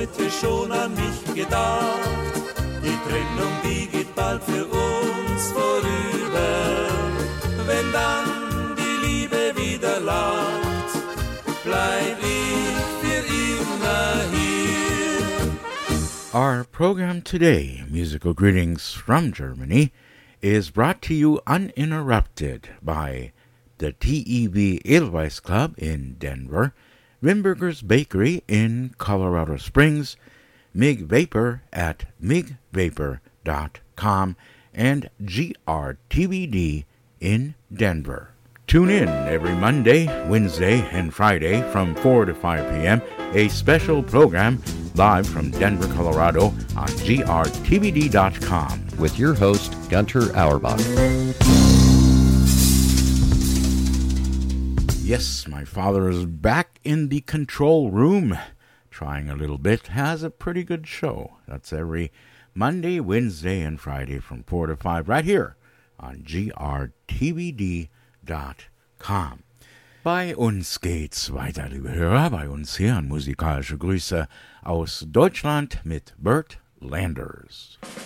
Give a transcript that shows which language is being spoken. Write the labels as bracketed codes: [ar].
[de] Schon an mich gedacht, die Trennung, die geht bald für uns vorüber. Wenn dann die Liebe wieder lacht, bleib ich für immer hier. [en] Our program today, Musical Greetings from Germany, is brought to you uninterrupted by the TEB Edelweiss Club in Denver, Rimberger's Bakery in Colorado Springs, Mig Vapor at migvapor.com, and GRTBD in Denver. Tune in every Monday, Wednesday, and Friday from 4 to 5 p.m., a special program live from Denver, Colorado on GRTBD.com with your host, Gunter Auerbach. Yes, my father is back in the control room. Trying a little bit, has a pretty good show. That's every Monday, Wednesday, and Friday from 4 to 5 right here on grtbd.com. [de] Bei uns geht's weiter, liebe Hörer, bei uns hier an Musikalische Grüße aus Deutschland mit Bert Landers.